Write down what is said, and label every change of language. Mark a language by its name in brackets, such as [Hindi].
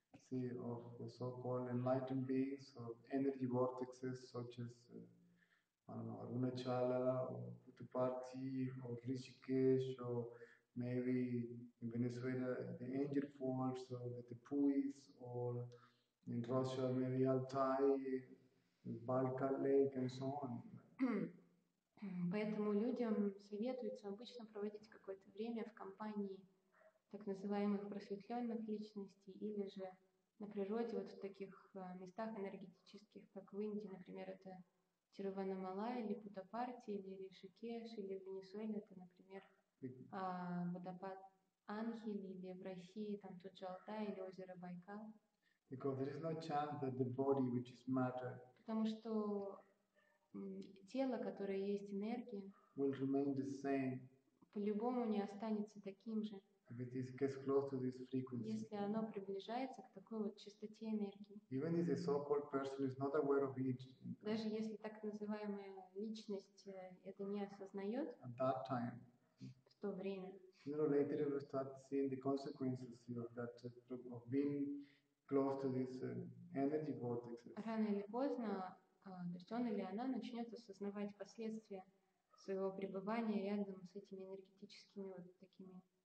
[English] See, of the so-called enlightened beings, of energy vortexes such as, Arunachala, or Puttaparthi, or Rishikesh, or maybe in Venezuela, the angel forms, or the Tepuis, or in Russia, maybe Altai, Baikal Lake, and so on. [Russian] Поэтому людям советуется обычно проводить какое-то время в компании так называемых просветленных личностей, или же на природе, вот в таких местах энергетических, как в Индии, например, это Тируванамала, или Путапарти, или Ришикеш, или в Венесуэле, это, например, водопад Анхель, или в России, там тут же Алтай, или озеро Байкал. [English] Because there is no chance that the body, which is matter, [Russian] потому что тело, которое есть энергия, [English] will remain the same. [Russian] По-любому не останется таким же. [English] If it is gets close to this frequency, [Russian] если оно приближается к такой вот частоте энергии, [English] even if the so-called person is not aware of it, [Russian] даже если так называемая личность это не осознает, [English] at that time, [Russian] в то время, [English] sooner or later you will start seeing the consequences of that of being close to this energy vortex. [Russian] Рано или поздно, то есть он или она начнет осознавать последствия своего пребывания рядом с этими энергетическими вот такими.